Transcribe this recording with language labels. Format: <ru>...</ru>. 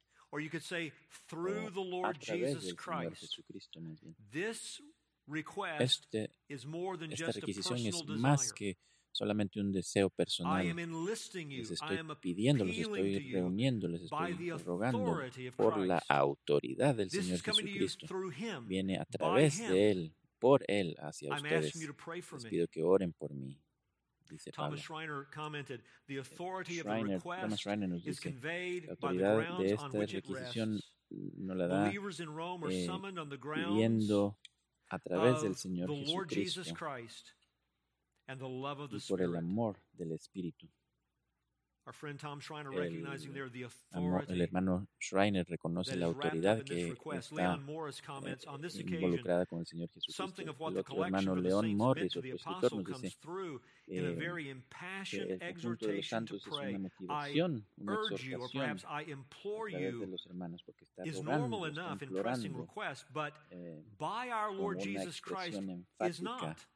<en>Or you could say, through the Lord Jesus Christ. This request is more than just a personal desire.</en> <es>solamente un deseo personal. Les estoy pidiendo, los estoy reuniendo, les estoy rogando por la autoridad del Señor Jesucristo. Viene a través de Él, por Él, hacia ustedes. Les pido que oren por mí. Dice Pablo.</es> <en>Thomas Schreiner commented, the authority of the request is conveyed by the grounds on which it rests. Believers in Rome are summoned on the grounds of the Lord Jesus Christ and the love of the</en> <es>Spirit. Y por el amor del Espíritu.</es> <en>Our friend Tom Schreiner recognizing there the authority.</en> <es>El hermano Schreiner reconoce la autoridad que está involucrada con el Señor Jesucristo. El otro hermano León Morris, otro escritor, nos dice que el conjunto de los santos es una motivación, una exhortación a través de los hermanos porque está rogando, está implorando como una expresión enfática.</es>